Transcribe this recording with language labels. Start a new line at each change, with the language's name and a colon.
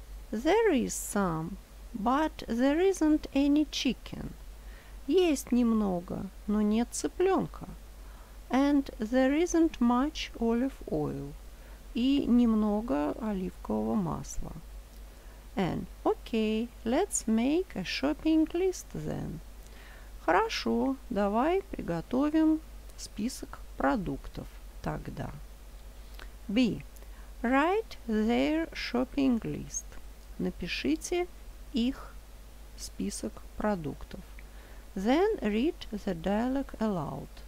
English: There is some, but there isn't any chicken.
Russian: Есть немного, но нет цыпленка.
English: And there isn't much olive oil.
Russian: И немного оливкового масла.
English: And okay, let's make a shopping list then.
Russian: Хорошо, давай приготовим список продуктов тогда.
English: B. Write their shopping list.
Russian: Напишите их список продуктов.
English: Then read the dialogue aloud.